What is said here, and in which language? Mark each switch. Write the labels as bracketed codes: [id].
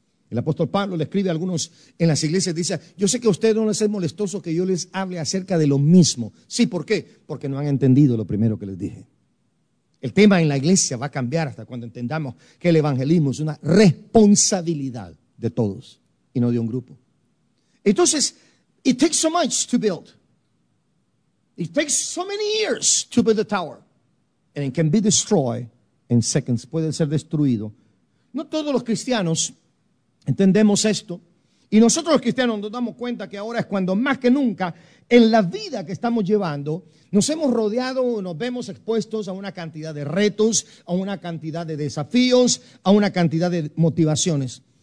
[es] El apóstol Pablo le escribe a algunos en las iglesias, dice, yo sé que a ustedes no les es molestoso que yo les hable acerca de lo mismo. Sí, ¿por qué? Porque no han entendido lo primero que les dije. El tema en la iglesia va a cambiar hasta cuando entendamos que el evangelismo es una responsabilidad de todos y no de un grupo. Entonces, [en] it takes so much to build. It takes so many years to build a tower. And it can be destroyed in seconds. [es] Puede ser destruido. No todos los cristianos entendemos esto. Y nosotros los cristianos nos damos cuenta que ahora es cuando más que nunca en la vida que estamos llevando nos hemos rodeado, nos vemos expuestos a una cantidad de retos, a una cantidad de desafíos, a una cantidad de motivaciones.